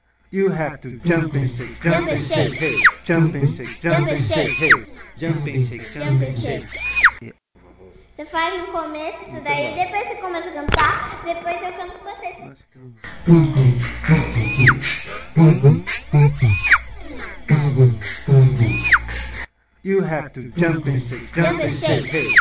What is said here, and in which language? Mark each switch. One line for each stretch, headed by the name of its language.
English: You have to jump and shake, jump and shake, hey! Jump and shake, jump and shake, hey! Jump and shake, jump and shake!
Portuguese: Você faz no começo isso daí, então, depois você começa a cantar, depois eu canto com você.
English: You have to jump and shake, jump and shake, hey.